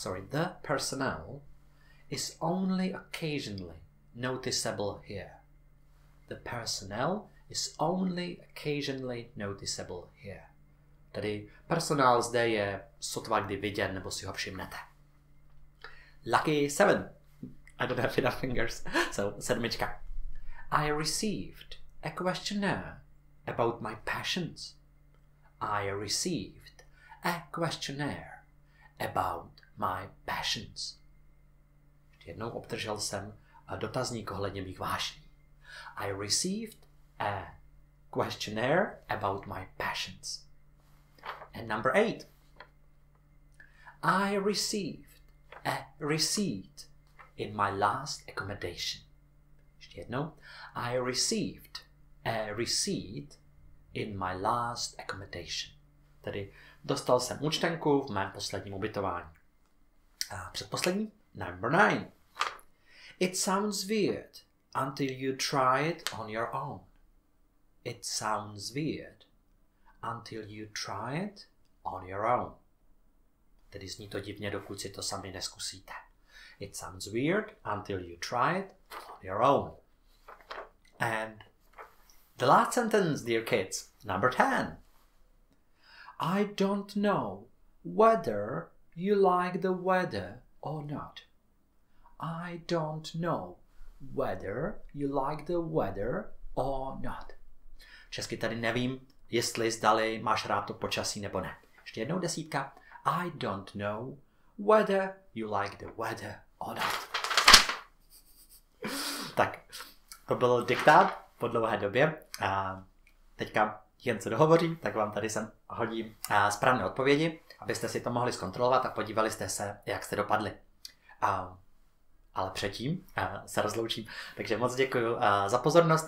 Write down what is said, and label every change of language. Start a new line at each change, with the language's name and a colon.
English: The personnel is only occasionally noticeable here. The personnel is only occasionally noticeable here.
Czech: Tedy personál zde je sotva kdy viděn, nebo si ho všimnete.
English: Lucky 7. I don't have enough fingers. So, sedmička. I received a questionnaire about my passions. I received a questionnaire about my passions.
Czech: Ještě jednou, obdržel jsem dotazník ohledně mých vášní.
English: I received a questionnaire about my passions. And number 8. I received a receipt in my last accommodation.
Czech: Ještě jednou.
English: I received a receipt in my last accommodation.
Czech: Tedy dostal jsem účtenku v mém posledním ubytování. A předposlední,
English: number 9. It sounds weird until you try it on your own. It sounds weird until you try it on your own.
Czech: Tedy zní to divně, dokud si to sami neskusíte.
English: It sounds weird until you try it on your own. And the last sentence, dear kids, number 10. I don't know whether you like the weather or not. I don't know whether you like the weather Oh not.
Czech: Česky tady nevím, jestli zdali máš rád to počasí nebo ne. Ještě jednou desítka.
English: I don't know whether you like the weather or not.
Czech: Tak, to byl diktát po dlouhé době. A teďka jen co dohovořím, tak vám tady sem hodím správné odpovědi, abyste si to mohli zkontrolovat a podívali jste se, jak jste dopadli. Ale předtím se rozloučím. Takže moc děkuju za pozornost.